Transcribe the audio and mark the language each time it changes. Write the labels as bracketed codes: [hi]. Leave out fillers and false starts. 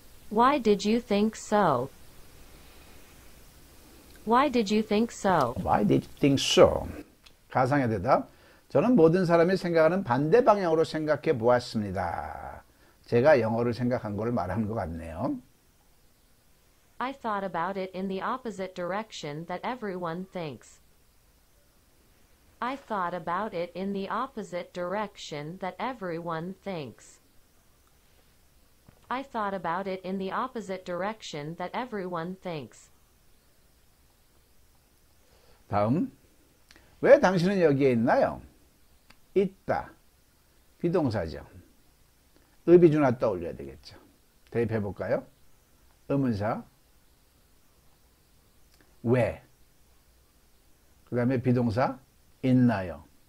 [en] Why did you think so? Why did you think so? Why did you think so? [ko] 가상의 대답. 저는 모든 사람이 생각하는 반대 방향으로 생각해 보았습니다. 제가 영어를 생각한 걸 말하는 것 같네요. [en] I thought about it in the opposite direction that everyone thinks. I thought about it in the opposite direction that everyone thinks. I thought about it in the opposite direction that everyone thinks. [ko] 다음. 왜 당신은 여기에 있나요? 있다. 비동사죠. 의비준화 떠올려야 되겠죠. 대입해 볼까요? 의문사. 왜? 그 다음에 비동사. 있나요?